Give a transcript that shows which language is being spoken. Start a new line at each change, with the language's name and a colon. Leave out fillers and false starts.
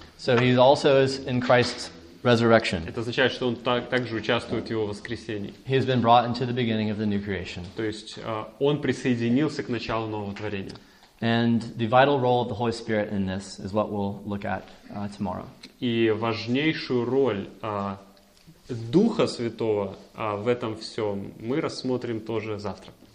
English: So he also is in Christ's resurrection.
Russian: Это означает, что он также участвует в его воскресении.
English: He has been brought into the beginning of the new creation.
Russian: То есть он присоединился к началу нового творения.
English: And the vital role of the Holy Spirit in this is what we'll look at tomorrow.
Russian: И важнейшую роль Духа Святого в этом всем мы рассмотрим тоже завтра.